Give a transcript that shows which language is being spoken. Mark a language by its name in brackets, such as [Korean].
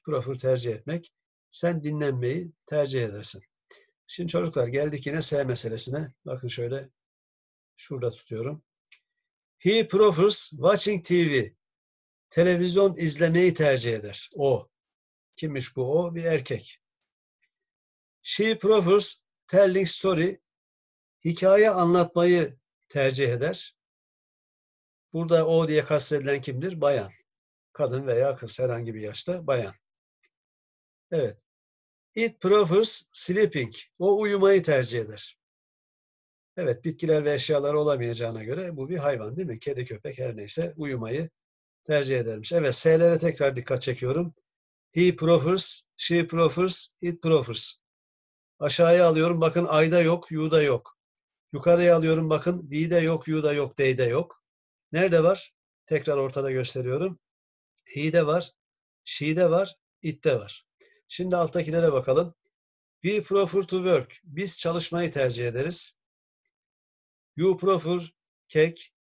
[Turkish] Prefer tercih etmek. Sen dinlenmeyi tercih edersin. Şimdi çocuklar geldik yine S meselesine. Bakın şöyle şurada tutuyorum. [English] He prefers watching TV. [Turkish] Televizyon izlemeyi tercih eder. O. Kimmiş bu o? Bir erkek. [English] She prefers telling story. [Turkish] Hikaye anlatmayı tercih eder. Burada o diye kastedilen kimdir? Bayan. Kadın veya kız herhangi bir yaşta bayan. Evet. [English] It prefers sleeping. [Turkish] O uyumayı tercih eder. Evet, bitkiler ve eşyalar olamayacağına göre bu bir hayvan değil mi? Kedi, köpek her neyse uyumayı tercih edermiş. Evet, S'lere tekrar dikkat çekiyorum. [English] He prefers, she prefers, it prefers. [Turkish] Aşağıya alıyorum. Bakın I'da yok, U'da yok. Yukarıya alıyorum. Bakın V'de yok, U'da yok, D'de yok. Nerede var? Tekrar ortada gösteriyorum. He'de var, she'de var, it'te var. Şimdi alttakilere bakalım. [English] We prefer to work. [Turkish] Biz çalışmayı tercih ederiz. [English] You prefer cake.